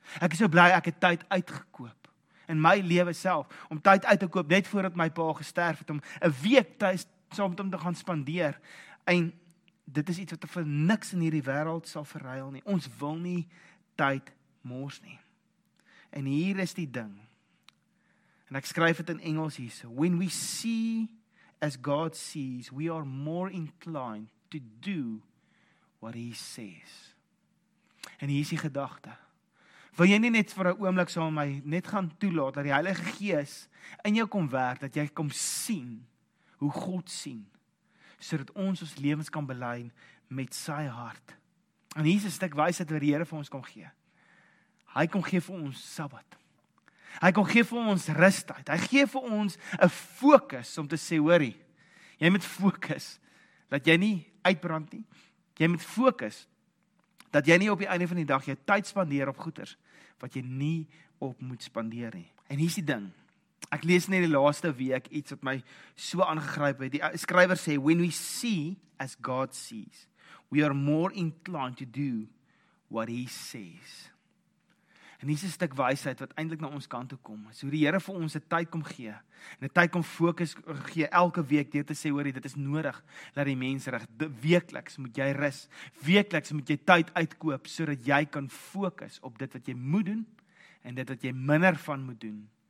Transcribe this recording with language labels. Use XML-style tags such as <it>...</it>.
<af>Ek is so bly, ek het tyd uitgekoop. In my lewe self, om tyd uit te koop, net voordat my pa gesterf het, om 'n week tyd saam met hom te gaan spandeer, en dit is iets wat vir niks in hierdie wêreld sal verruil nie. Ons wil nie tyd mors nie. En hier is die ding. En ek skryf dit in Engels hier.</af> <en>When we see as God sees, we are more inclined to do what he says.</en> <af>En hier is die gedagte. Wil jy nie net vir 'n oomblik saam met my net gaan toelaat dat die Heilige Gees in jou kom werk, dat jy kom sien hoe God sien, sodat ons ons lewens kan belyn met sy hart. En hier is 'n stuk wysheid wat die Here vir ons kom gee. Hy kom gee vir ons Sabbat. Hy kom gee vir ons rustyd. Hy gee vir ons 'n fokus om te sê, hoorie, jy moet fokus dat jy nie uitbrand nie. Jy moet fokus dat jy nie op die einde van die dag jou tyd spandeer op goeders wat jy nie op moet spandeer nie. En hier is die ding. Ek lees net die laaste week iets wat my so aangegryp het. Die skrywer sê,</af> <en>when we see as God sees, we are more inclined to do what he says.</en> <af>En hier is 'n stuk wysheid wat eintlik na ons kant toe kom. Is hoe die Here vir ons 'n tyd kom gee. En 'n tyd kom fokus gee elke week deur te sê, hoorie, dit is nodig dat die mens reg. Weekliks moet jy rus. Weekliks moet jy tyd uitkoop sodat jy kan fokus op dit wat jy moet doen en dit wat jy minder van moet doen.</af>